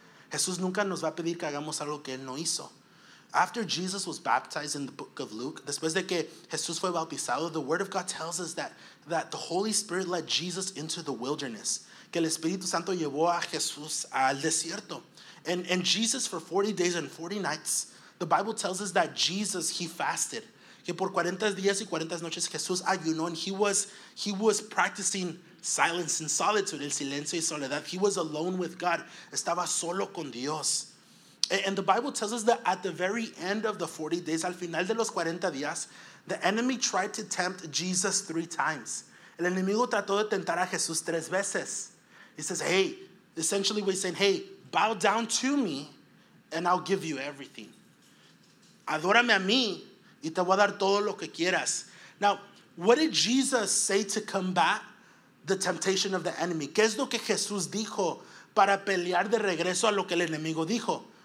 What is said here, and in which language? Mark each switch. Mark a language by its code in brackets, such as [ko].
[es] Jesús nunca nos va a pedir que hagamos algo que él no hizo. [en] After Jesus was baptized in the book of Luke, [es] después de que Jesús fue bautizado, [en] the word of God tells us that the Holy Spirit led Jesus into the wilderness. [es] Que el Espíritu Santo llevó a Jesús al desierto. [en] And Jesus, for 40 days and 40 nights, the Bible tells us that Jesus, he fasted. [es] Que por 40 días y 40 noches, Jesús ayunó, [en] and he was practicing silence and solitude, [es] el silencio y soledad. [en] He was alone with God. [es] Estaba solo con Dios. [en] And the Bible tells us that at the very end of the 40 days, [es] al final de los 40 días, [en] the enemy tried to tempt Jesus 3 times. [es] El enemigo trató de tentar a Jesús 3 veces. [en] He says, hey, essentially we're saying, hey, bow down to me and I'll give you everything. [es] Adórame a mí y te voy a dar todo lo que quieras. [en] Now, what did Jesus say to combat the temptation of the enemy? [es] ¿Qué es lo que Jesús dijo para pelear de regreso a lo que el enemigo dijo?